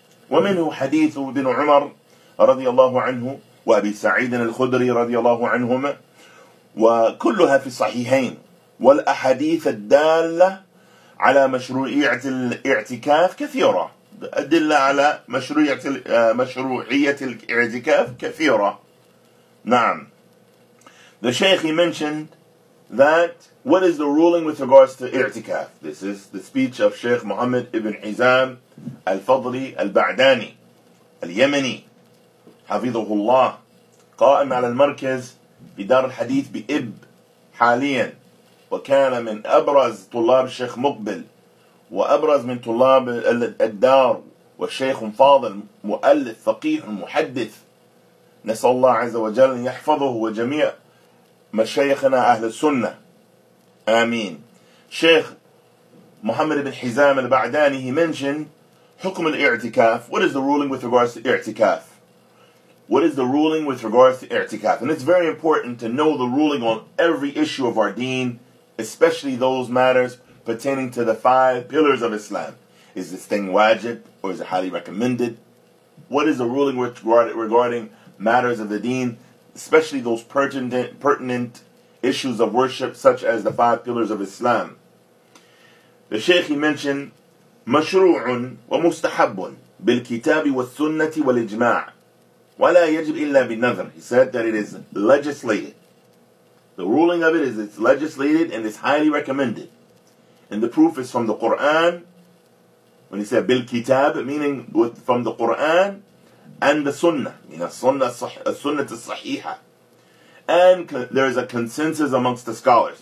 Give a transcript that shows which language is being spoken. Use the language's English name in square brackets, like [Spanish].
[Arabic] ومنه حديث ابن عمر رضي الله عنه وأبي سعيد الخدري رضي الله عنهما، وكلها في الصحيحين. والأحاديث الدالة على مشروعية الاعتكاف كثيرة، أدلة على مشروعية الاعتكاف كثيرة. نعم. [English] The Sheikh, he mentioned that what is the ruling with regards to i'tikaf. This is the speech of Sheikh Muhammad ibn Hizam al-Fadli al-Ba'dani al-Yemeni [Arabic] حفظه الله قائم على المركز بدار الحديث بإب حاليا، وكان من أبرز طلاب الشيخ مقبل وأبرز من طلاب الدار، والشيخ فاضل مؤلف فقيه محدث، نسأل الله عز وجل أن يحفظه وجميع مشايخنا أهل السنة، آمين. [English] شيخ محمد بن حزام البعداني، he mentioned [Arabic] حكم الاعتكاف. [English] What is the ruling with regards to اعتكاف؟ What is the ruling with regards to i'tikaf? And it's very important to know the ruling on every issue of our deen, especially those matters pertaining to the five pillars of Islam. Is this thing wajib or is it highly recommended? What is the ruling regarding matters of the deen, especially those pertinent issues of worship such as the five pillars of Islam? The Shaykh, he mentioned, [Arabic] مَشْرُوعٌ وَمُسْتَحَبٌ بِالْكِتَابِ وَالسُنَّةِ وَالْإِجْمَاعِ وَلَا يَجِبْ إِلَّا بِالنَّذْرِ. [English] He said that it is legislated. The ruling of it is it's legislated and it's highly recommended. And the proof is from the Qur'an. When he said بِالْكِتَابِ meaning from the Qur'an and the sunnah. You know, sunnah الصحيحة. And there is a consensus amongst the scholars.